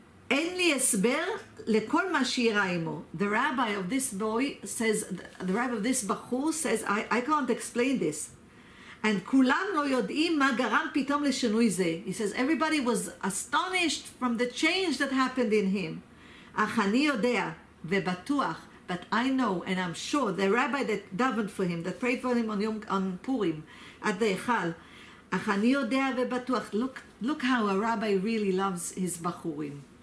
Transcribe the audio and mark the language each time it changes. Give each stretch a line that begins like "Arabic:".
Hebrew: אין לי הסבר לכל מה שיראה עמו.
English: The rabbi of this boy says, the rabbi of this bachur says, I can't explain this.
Hebrew: And כולם לא יודעים מה גרם פתאום לשינוי זה.
English: He says, everybody was astonished from the change that happened in him.
Hebrew: אך אני יודע ובטוח,
English: but I know and I'm sure, the rabbi that davened for him, that prayed for him on, Yom, on Purim, at the Echal, אך אני יודע ובטוח, look how a rabbi really loves his bachurim.